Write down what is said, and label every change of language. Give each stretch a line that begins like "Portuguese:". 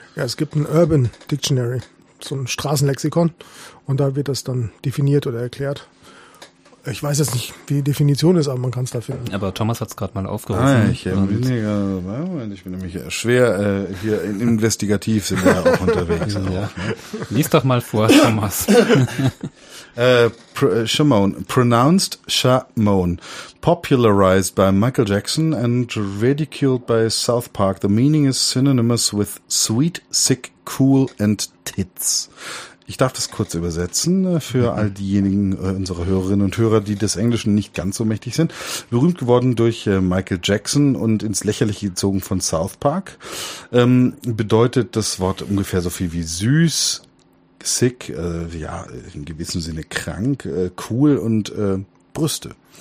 German: Ja, es gibt ein Urban Dictionary, so ein Straßenlexikon. Und da wird das dann definiert oder erklärt. Ich weiß jetzt nicht, wie die Definition ist, aber man kann es da finden. Aber Thomas hat es gerade mal aufgerufen. Ich bin nämlich schwer hier investigativ, sind wir ja auch unterwegs. Ja. Ja. Lies doch mal vor, Thomas.
English: Chamon, pronounced Chamon, popularized by Michael Jackson and ridiculed by South Park. The meaning is synonymous with sweet, sick, cool and tits.
German: Ich darf das kurz übersetzen für all diejenigen unserer Hörerinnen und Hörer, die des Englischen nicht ganz so mächtig sind. Berühmt geworden durch Michael Jackson und ins Lächerliche gezogen von South Park, bedeutet das Wort ungefähr so viel wie süß, sick, in gewissem Sinne krank, cool und Brüste.